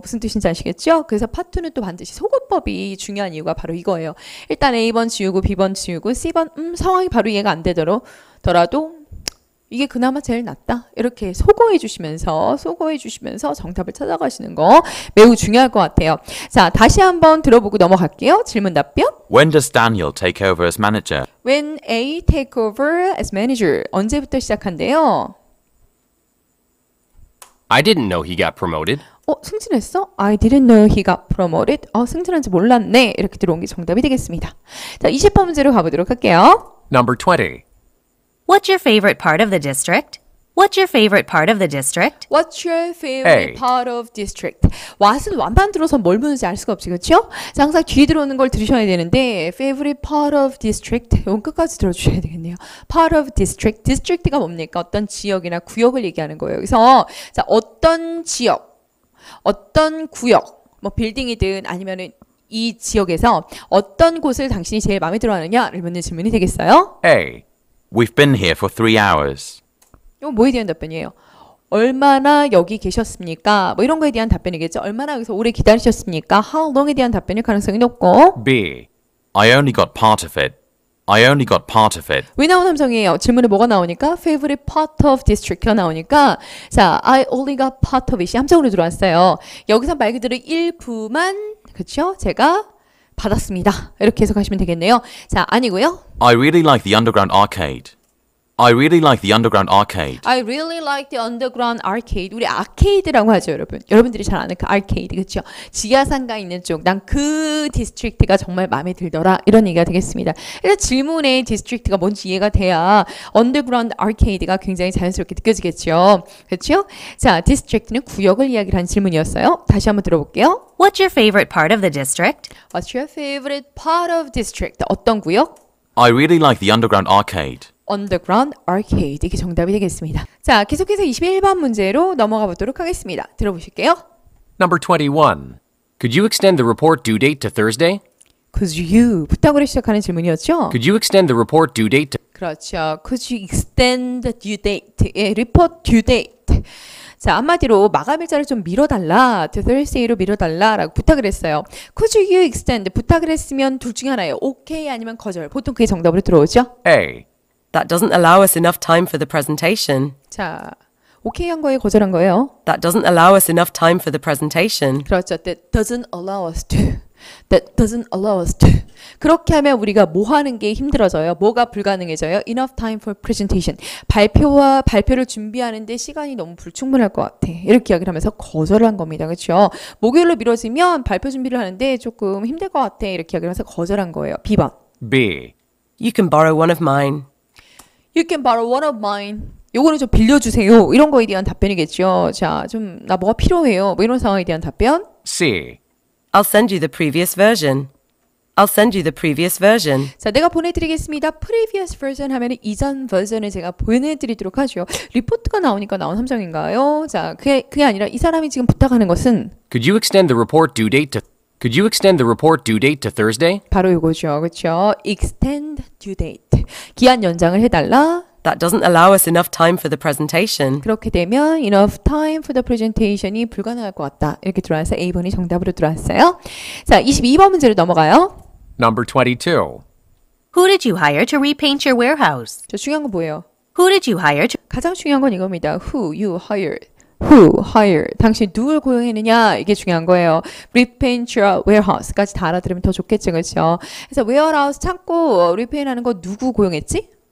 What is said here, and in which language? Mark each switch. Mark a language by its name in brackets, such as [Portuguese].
[Korean] 무슨 뜻인지 아시겠죠? 그래서 파트는 또 반드시 소거법이 중요한 이유가 바로 이거예요. 일단 A번 지우고 B번 지우고 C번 상황이 바로 이해가 안 되더라도 이게 그나마 제일 낫다. 이렇게 속어해 주시면서 정답을 찾아가시는 거 매우 중요할 것 같아요. 자, 다시 한번 들어보고 넘어갈게요. 질문 답변. [English] When does Daniel take over as manager? When A take over as manager. [Korean] 언제부터 시작한대요? [English] I didn't know he got promoted. [Korean] 어, 승진했어? [English] I didn't know he got promoted. [Korean] 어, 승진한지 몰랐네. 이렇게 들어온 게 정답이 되겠습니다. 자, 20번 문제로 가보도록 할게요. [English] Number 20. What's your favorite part of the district? What's your favorite part of the district? What's your favorite part of district? [Korean] What은 완반 들어서 뭘 묻는지 알 수가 없지, 그렇죠? 항상 뒤 들어오는 걸 들으셔야 되는데 [English] favorite part of district [Korean] 이건 끝까지 들어주셔야 되겠네요. [English] Part of district, district가 뭡니까? [Korean] 어떤 지역이나 구역을 얘기하는 거예요. 그래서 자, 어떤 지역, 어떤 구역, 뭐 빌딩이든 아니면은 이 지역에서 어떤 곳을 당신이 제일 마음에 들어하느냐를 묻는 질문이 되겠어요. [English] A. We've been here for 3 hours. [Korean] 이거 뭐에 대한 답변이에요? 얼마나 여기 계셨습니까? 뭐 이런 거에 대한 답변이겠죠. 얼마나 여기서 오래 기다리셨습니까? How long에 대한 답변일 가능성이 높고. [English] B. I only got part of it. I only got part of it. [Korean] 왜 나온 함정이에요? 질문에 뭐가 나오니까? [English] Favorite part of district가 나오니까. 자, I only got part of it이 [Korean] 함정으로 들어왔어요. 여기서 말 그대로 일부만, 그렇죠? 제가 받았습니다. 이렇게 해석하시면 되겠네요. 자, 아니고요. [English] I really like the underground arcade. I really like the underground arcade. I really like the underground arcade. [Korean] 우리 아케이드라고 하죠, 여러분. 여러분들이 잘 아는 그 아케이드, 그렇죠? 지하상가 있는 쪽. 난 그 디스트릭트가 정말 마음에 들더라. 이런 얘기가 되겠습니다. 그래서 질문의 디스트릭트가 뭔지 이해가 돼야 [English] underground arcade [Korean] 가 굉장히 자연스럽게 느껴지겠죠. 그렇죠? 자, 디스트릭트는 구역을 이야기하는 질문이었어요. 다시 한번 들어볼게요. [English] What's your favorite part of the district? What's your favorite part of district? [Korean] 어떤 구역? [English] I really like the underground arcade. [Korean] Underground arcade 이게 정답이 되겠습니다. 자, 계속해서 21번 문제로 넘어가 보도록 하겠습니다. 들어보실게요. [English] Number 21. Could you extend the report due date to Thursday? Could you [Korean] 부탁으로 시작하는 질문이었죠? [English] Could you extend the report due date to 그렇죠. Could you extend the due date? 예, report due date. [Korean] 자, 한마디로 마감일자를 좀 미뤄달라. To Thursday로 미뤄달라라고 부탁을 했어요. [English] Could you extend? [Korean] 부탁을 했으면 둘 중에 하나예요. Okay 아니면 거절. 보통 그게 정답으로 들어오죠? [English] A. That doesn't allow us enough time for the presentation. [Korean] 자, 오케이 한 거예요, 거절한 거예요? [English] That doesn't allow us enough time for the presentation. 그렇죠. That doesn't allow us to. That doesn't allow us to. [Korean] 그렇게 하면 우리가 뭐 하는 게 힘들어져요? 뭐가 불가능해져요? [English] Enough time for presentation. [Korean] 발표와 발표를 준비하는데 시간이 너무 불충분할 것 같아. 이렇게 이야기를 하면서 거절한 겁니다. 그렇죠? 목요일로 미뤄지면 발표 준비를 하는데 조금 힘들 것 같아. 이렇게 이야기를 하면서 거절한 거예요. B번. [English] B. You can borrow one of mine. You can borrow one of mine. [Korean] 요거는 좀 빌려주세요. 이런 거에 대한 답변이겠죠. 자, 좀 나 뭐가 필요해요. 뭐 이런 상황에 대한 답변. [English] C. I'll send you the previous version. I'll send you the previous version. [Korean] 자, 내가 보내드리겠습니다. Previous version 하면 이전 버전을 제가 보내드리도록 하죠. 리포트가 나오니까 나온 함정인가요? 자, 그게 아니라 이 사람이 지금 부탁하는 것은 [English] Could you extend the report due date to Could you extend the report due date to Thursday? [Korean] 바로 이거죠, 그렇죠? [English] Extend due date. [Korean] 기한 연장을 해달라. [English] That doesn't allow us enough time for the presentation. [Korean] 그렇게 되면 [English] enough time for the presentation [Korean] 이 불가능할 것 같다. 이렇게 들어와서 A번이 정답으로 들어왔어요. 자, 22번 문제로 넘어가요. [English] Number 22. Who did you hire to repaint your warehouse? [Korean] 저 중요한 거 뭐예요? [English] Who did you hire to... [Korean] 가장 중요한 건 이겁니다. [English] Who you hired. Who hired? [Korean] 당신 누굴 고용했느냐? 이게 중요한 거예요. [English] Repaint your warehouse [Korean] 까지 다 알아들으면 더 좋겠죠, 그렇죠? 그래서 warehouse 창고 repaint하는 거 누구 고용했지?